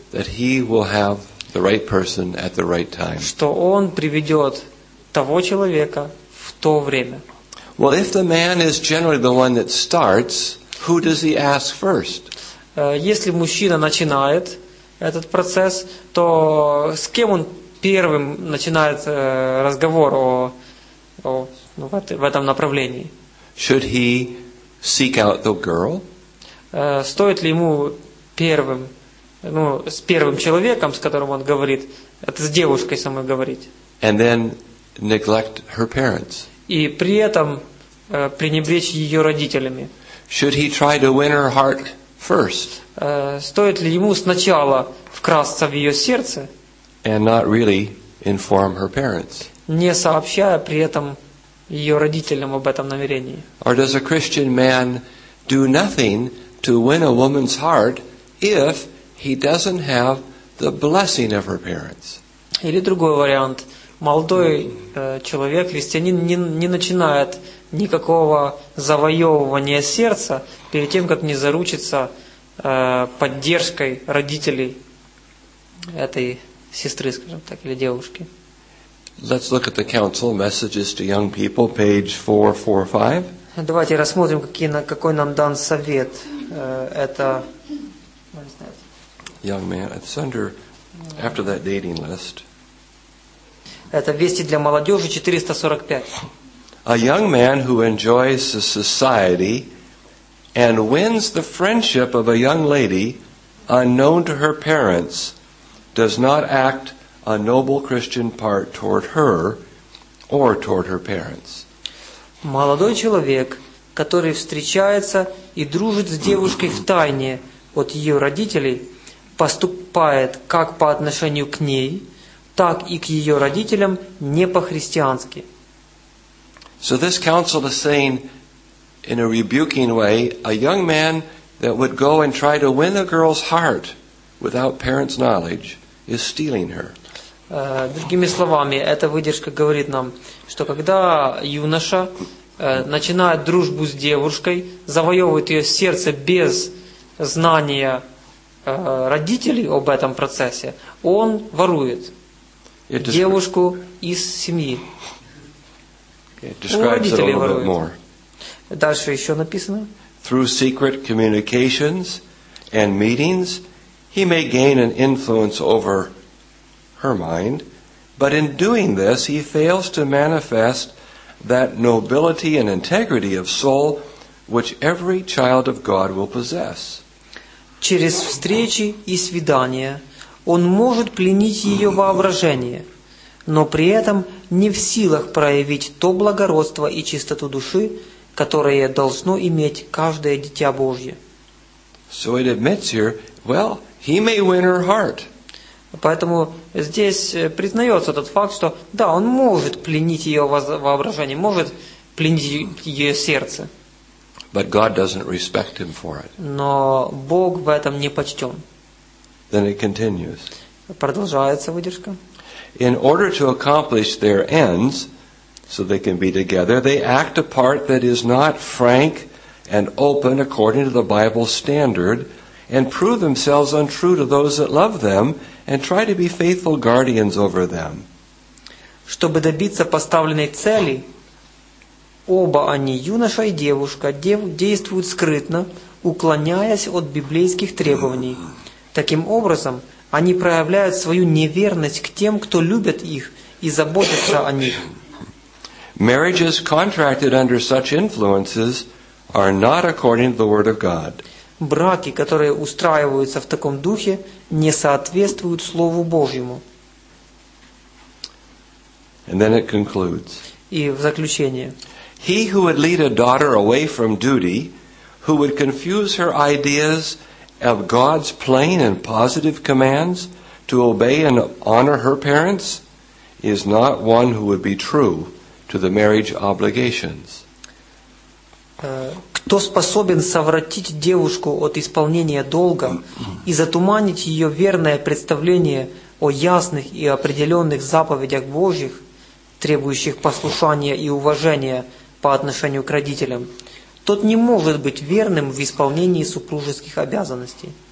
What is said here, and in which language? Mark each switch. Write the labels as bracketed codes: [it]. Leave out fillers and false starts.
[en] That he will have the right person at the right time. [ru] Что он приведет того человека в то время. [en] Well, if the man is generally the one that starts, who does he ask first? [ru] Если мужчина начинает этот процесс, то с кем он первым начинает разговор в этом направлении? [en] Should he seek out the girl? [ru] Стоит ли ему первым, ну, с первым человеком, с которым он говорит, это с девушкой самой говорить. [en] And then neglect her parents. [ru] И при этом пренебречь ее родителями. [en] Should he try to win her heart first? [ru] Стоит ли ему сначала вкрасться в ее сердце? [en] And not really inform her parents. [ru] Не сообщая при этом ее родителям об этом намерении. [en] Or does a Christian man do nothing to win a woman's heart if he doesn't have the blessing of her parents? [ru] Или другой вариант. Молодой человек, христианин, не начинает никакого завоевывания сердца перед тем, как не заручится поддержкой родителей этой сестры, скажем так, или девушки. [en] Let's look at the council messages to young people, page 445. [ru] Давайте рассмотрим, какой нам дан совет. Это [en] young man, it's under after that dating list. [ru] Это вести для молодежи 445. [en] A young man who enjoys the society and wins the friendship of a young lady unknown to her parents does not act a noble Christian part toward her or toward her parents. [ru] Молодой человек, который встречается и дружит с девушкой в тайне от ее родителей, поступает как по отношению к ней, так и к ее родителям не по-христиански. [en] So this council is saying in a rebuking way, a young man that would go and try to win a girl's heart without parents' knowledge is stealing her. [ru] Другими словами, эта выдержка говорит нам, что когда юноша начинает дружбу с девушкой, завоевывает ее сердце без знания родителей об этом процессе, он ворует девушку из семьи. У родителей воруют. Дальше еще написано. [en] Through secret communications and meetings, he may gain an influence over her mind, but in doing this, he fails to manifest that nobility and integrity of soul which every child of God will possess. [ru] Через встречи и свидания он может пленить ее воображение, но при этом не в силах проявить то благородство и чистоту души, которое должно иметь каждое дитя Божье. [en] So it admits here, well, he may win her heart. [ru] Поэтому здесь признается тот факт, что да, он может пленить ее воображение, может пленить ее сердце. [en] but God doesn't respect him for it. [ru] Но Бог в этом не почтен. [en] Then it continues. [ru] Продолжается выдержка. [en] In order to accomplish their ends, so they can be together, they act a part that is not frank and open according to the Bible standard, and prove themselves untrue to those that love them, and try to be faithful guardians over them. [ru] Чтобы добиться поставленной цели, оба они, юноша и девушка, действуют скрытно, уклоняясь от библейских требований. Таким образом, они проявляют свою неверность к тем, кто любит их и заботится о них. [en] Marriages contracted under such influences are not according to the Word of God. [ru] Браки, которые устраиваются в таком духе, не соответствуют Слову Божьему. [en] And then it concludes. [ru] И в заключение. [en] He who would lead a daughter away from duty, who would confuse her ideas of God's plain and positive commands to obey and honor her parents, is not one who would be true to the marriage obligations. [ru] Кто способен совратить девушку от исполнения долга и затуманить ее верное представление о ясных и определенных заповедях Божьих, требующих послушания и уважения по отношению к родителям, тот не может быть верным в исполнении супружеских обязанностей.